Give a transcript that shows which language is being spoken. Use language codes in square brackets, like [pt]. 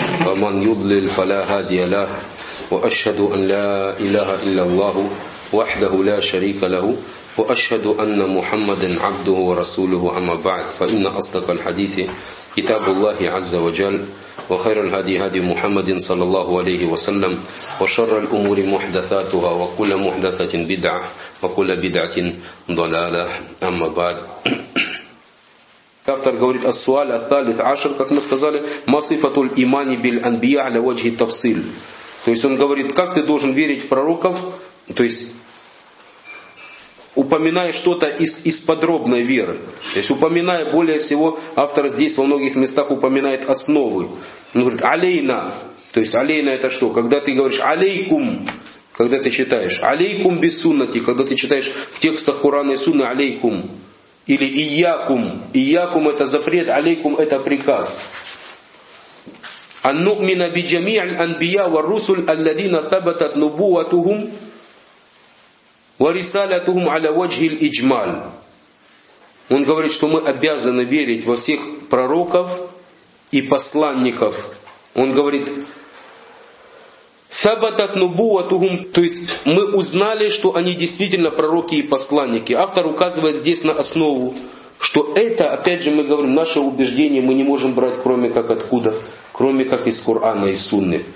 [ar] ومن يضلل فلا هادي له وأشهد أن لا إله إلا الله وحده لا شريك له وأشهد أن محمدا عبده ورسوله أما بعد فإن أصدق الحديث كتاب الله عز وجل وخير الهدي هدي محمد صلى الله عليه وسلم وشر الأمور محدثاتها وكل محدثة بدعة وكل بدعة ضلالة أما بعد. [ru] Автор говорит о суале [ar] الثالث عشر, [ru] как мы сказали, [ar] ما صفة الإيمان بالأنبياء على وجه التفصيل. [ru] То есть он говорит, как ты должен верить в пророков, то есть упоминая что-то из подробной веры. То есть упоминая более всего, автор здесь во многих местах упоминает основы. Он говорит «алейна». То есть «алейна» это что? Когда ты говоришь «алейкум», когда ты читаешь. «Алейкум бис суннати», когда ты читаешь в текстах Корана и Сунны «алейкум». Или «иякум». «Иякум» это запрет, «алейкум» это приказ. [ar] «Аннукмина биджамиль анбия варрусуль алладина табатат нубуатухум». ورسالتهم على وجه الإجمال. [ru] Он говорит, что мы обязаны верить во всех пророков и посланников. Он говорит, [ar] ثبتت نبوتهم, [ru] то есть мы узнали, что они действительно пророки и посланники. Автор указывает здесь на основу, что это, опять же, мы говорим, наше убеждение мы не можем брать, кроме как откуда, кроме как из Корана и Сунны.